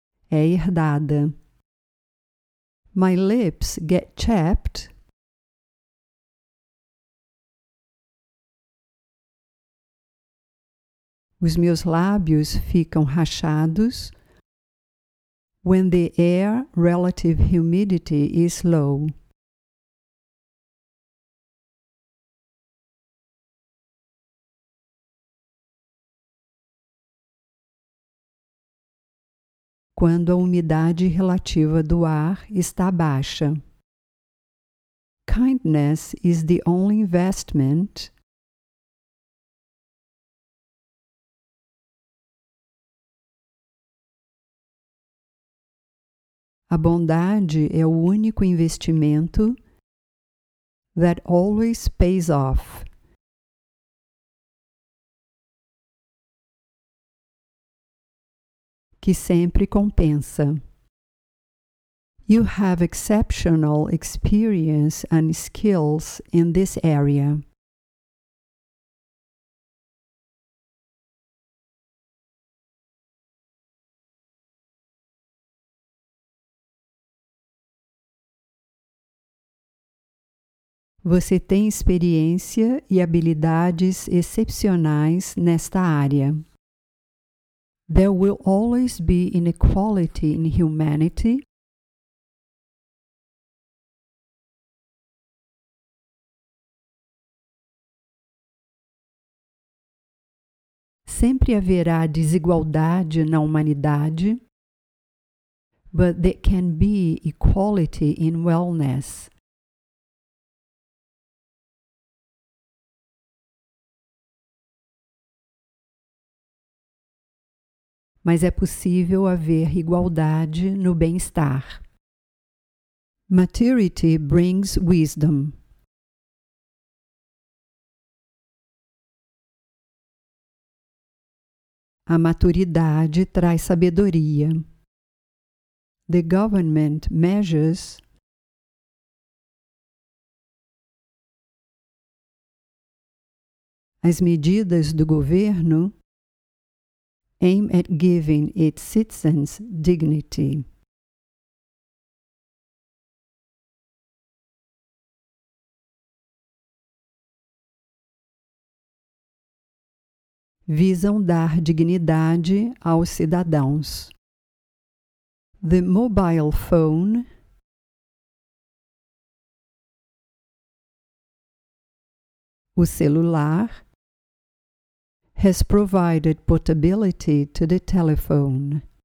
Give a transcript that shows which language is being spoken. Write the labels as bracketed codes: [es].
[pt] É herdada. [en] My lips get chapped [pt] Os meus lábios ficam rachados [en] when the air relative humidity is low. [pt] Quando a umidade relativa do ar está baixa. [en] Kindness is the only investment. [pt] A bondade é o único investimento [en] that always pays off. [pt] Que sempre compensa. [en] You have exceptional experience and skills in this area. [pt] Você tem experiência e habilidades excepcionais nesta área. [en] There will always be inequality in humanity. [pt] Sempre haverá desigualdade na humanidade, [en] but there can be equality in wellness. [pt] Mas é possível haver igualdade no bem-estar. [en] Maturity brings wisdom. [pt] A maturidade traz sabedoria. [en] The government measures. [pt] As medidas do governo [en] aim at giving its citizens dignity. [pt] Visam dar dignidade aos cidadãos. [en] The mobile phone [pt] o celular [en] has provided portability to the telephone.